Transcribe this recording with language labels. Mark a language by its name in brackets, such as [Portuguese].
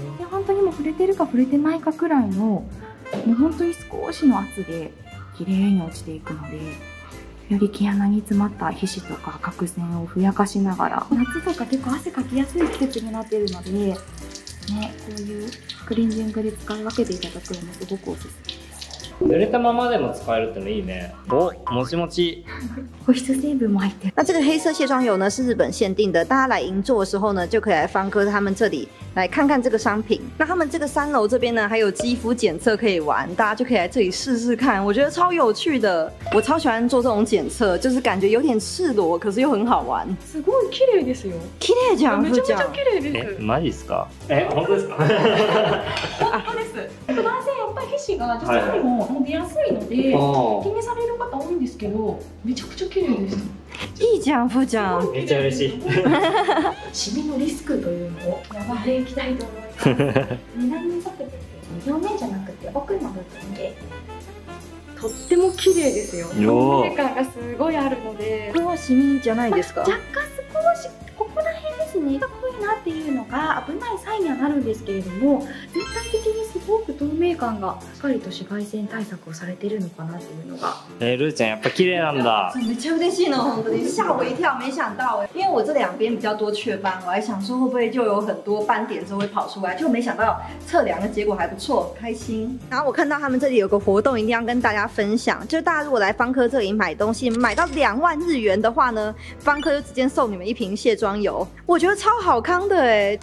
[Japanese] 本当にも触れてるか触れてないかくらいの、もう本当に少しの圧で綺麗に落ちていくので、より毛穴に詰まった皮脂とか角栓をふやかしながら、夏とか結構汗かきやすい季節になっているので、ね、こういうクレンジングで使い分けていただくのもすごくおすすめです。濡れたままでも使えるってのいいね。お、もちもち。保湿成分も入って [Chinese] る。那这个黑色卸妆油呢是日本限定的，大家来银座的时候呢就可以来方科他们这里。来看看这个商品。那他们这个三楼这边呢还有肌肤检测可以玩，大家就可以来这里试试看，我觉得超有趣的。我超喜欢做这种检测，就是感觉有点赤裸可是又很好玩。 [Japanese] すごい綺麗ですよ。綺麗じゃん。めちゃめちゃ綺麗です。え、マジですか？え、本当ですか？本当です。男性やっぱり皮脂が女性よりも出やすいので、はい、気にされる方多いんですけど、めちゃくちゃ綺麗です。いいじゃん、ふーちゃん。めっちゃ嬉しい。シミのリスクというのをやばい、いきたいと思います。南にかけて表面じゃなくて奥の部分で、とっても綺麗ですよ。透明感がすごいあるので。これはシミじゃないですか？若干少しここら辺ですね、が濃いなっていうのが危ないサインにはなるんですけれども、全体的にすごく透明感がしっかりと紫外線対策をされているのかなっていうのが。え、ルーちゃんやっぱ綺麗なんだ。めちゃ嬉しいの、本当に。 [Chinese] 吓我一跳、没想到。因为我这两边比较多雀斑，我还想说会不会就有很多斑点就会跑出来，就没想到测量的结果还不错，开心。然后我看到他们这里有个活动，一定要跟大家分享。就大家如果来方科这里买东西，买到20,000日元的话呢，方科就直接送你们一瓶卸妆油，我觉得超好康的哎。